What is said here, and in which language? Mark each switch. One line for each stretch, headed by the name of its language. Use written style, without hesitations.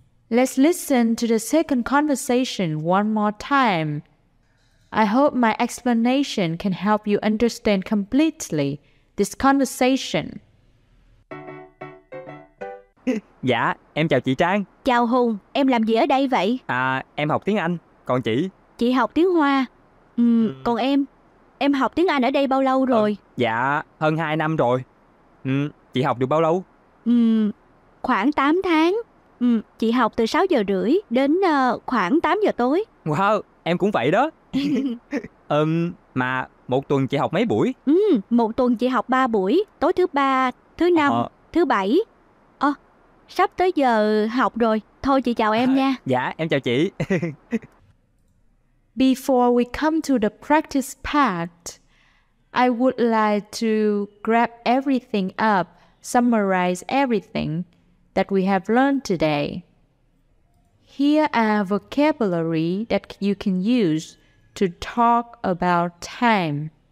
English: Let's listen to the second conversation one more time. I hope my explanation can help you understand completely this conversation.
Vietnamese: Dạ, em chào chị Trang. Chào Hùng, em làm gì ở đây vậy? À, em học tiếng Anh, còn chị? Chị học tiếng Hoa. Còn em học tiếng Anh ở đây bao lâu rồi? Dạ, hơn 2 năm rồi. Chị học được bao lâu? Khoảng 8 tháng. Chị học từ 6 giờ rưỡi đến khoảng 8 giờ tối. Wow, em cũng vậy đó. mà một tuần chị học mấy buổi? Một tuần chị học 3 buổi, tối thứ 3, thứ 5, thứ 7. Sắp tới giờ học rồi, thôi chị chào em nha. Dạ, em chào chị.
English: Before we come to the practice part, I would like to grab everything up, summarize everything that we have learned today. Here are vocabulary that you can use to talk about time.